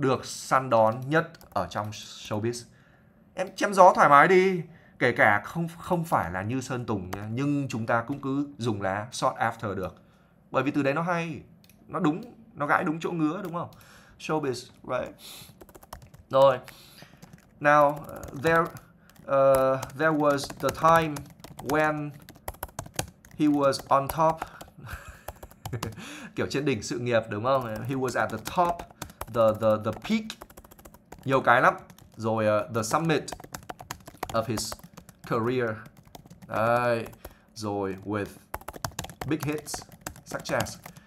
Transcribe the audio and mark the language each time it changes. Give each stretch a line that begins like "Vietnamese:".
Vietnamese: Được săn đón nhất ở trong showbiz. Em chém gió thoải mái đi. Kể cả không không phải là như Sơn Tùng nha, nhưng chúng ta cũng cứ dùng là sought after được. Bởi vì từ đấy nó hay, nó đúng, nó gãi đúng chỗ ngứa đúng không? Showbiz, right. Rồi.
English: Now, there was the time when he was on top.
Vietnamese: Kiểu trên đỉnh sự nghiệp đúng không?
English: He was at the top, the peak.
Vietnamese: Nhiều cái lắm.
English: Rồi the summit of his career. Đấy. Rồi with big hits, success.